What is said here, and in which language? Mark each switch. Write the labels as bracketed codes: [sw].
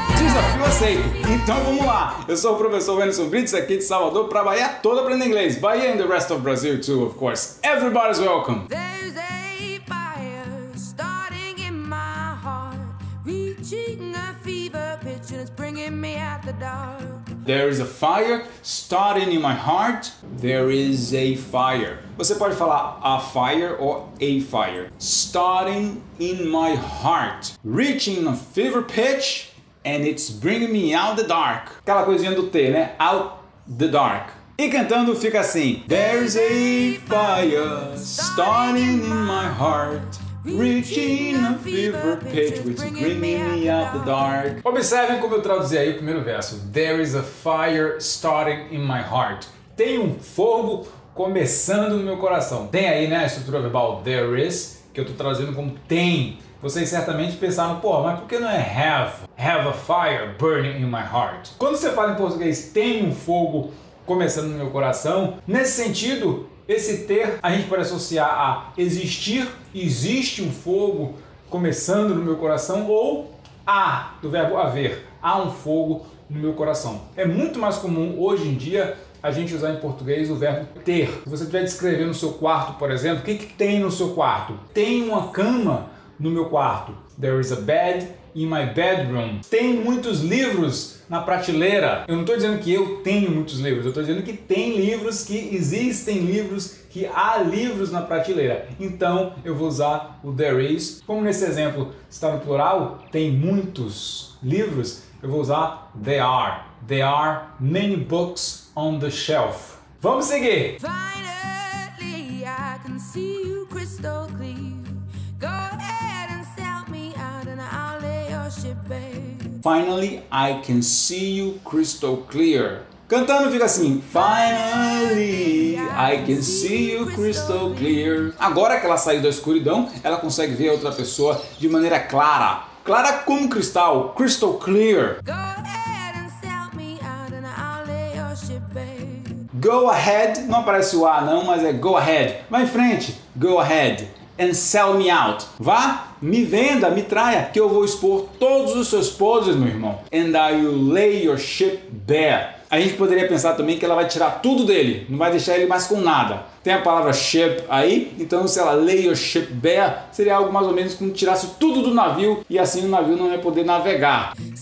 [pt] Desafio aceito. Então vamos lá. Eu sou o professor Wenderson Brits, aqui de Salvador, pra Bahia toda aprender inglês. [en] Bahia and the rest of Brazil too, of course. Everybody's welcome. There's a fire starting in my heart, reaching a fever pitch and it's bringing me out the dark. There is a fire starting in my heart. There is a fire. [pt] Você pode falar [en] a fire [pt] ou a fire. [en] Starting in my heart. Reaching a fever pitch and it's bringing me out the dark. [pt] Aquela coisinha do T, né? [en] Out the dark. [pt] E cantando fica assim. [en] There is a fire starting in my heart. Reaching a fever pitch, which is bringing me out the dark. [pt] Observem como eu traduzi aí o primeiro verso. [en] There is a fire starting in my heart. [pt] Tem um fogo começando no meu coração. Tem aí, né, a estrutura verbal there is, que eu tô traduzindo como tem. Vocês certamente pensaram, pô, mas por que não é have? [en] Have a fire burning in my heart. [pt] Quando você fala em português, tem um fogo começando no meu coração, nesse sentido, esse ter, a gente pode associar a existir, existe um fogo começando no meu coração, ou a, do verbo haver, há um fogo no meu coração. É muito mais comum, hoje em dia, a gente usar em português o verbo ter. Se você estiver descrevendo o seu quarto, por exemplo, o que tem no seu quarto? Tem uma cama no meu quarto. [en] There is a bed in my bedroom. [pt] Tem muitos livros na prateleira. Eu não estou dizendo que eu tenho muitos livros, eu estou dizendo que tem livros, que existem livros, que há livros na prateleira. Então eu vou usar o there is. Como nesse exemplo está no plural, tem muitos livros, eu vou usar there are. [en] There are many books on the shelf. [pt] Vamos seguir! [en] Finally I can see you crystal clear. Go ahead and sell me out and I'll lay your ship bare. Finally, I can see you crystal clear. [pt] Cantando fica assim. [en] Finally, I can see you crystal clear. [pt] Agora que ela saiu da escuridão, ela consegue ver a outra pessoa de maneira clara. Clara como cristal. [en] Crystal clear. Go ahead and sell me out and I'll lay your ship bare. Go ahead. [pt] Não aparece o A não, mas é [en] go ahead. [pt] Vai em frente. [en] Go ahead. And sell me out. [pt] Vá, me venda, me traia, que eu vou expor todos os seus podres, meu irmão. [en] And I will lay your ship bare. [pt] A gente poderia pensar também que ela vai tirar tudo dele, não vai deixar ele mais com nada. Tem a palavra ship aí, então se ela lay your ship bare, seria algo mais ou menos como tirasse tudo do navio e assim o navio não ia poder navegar.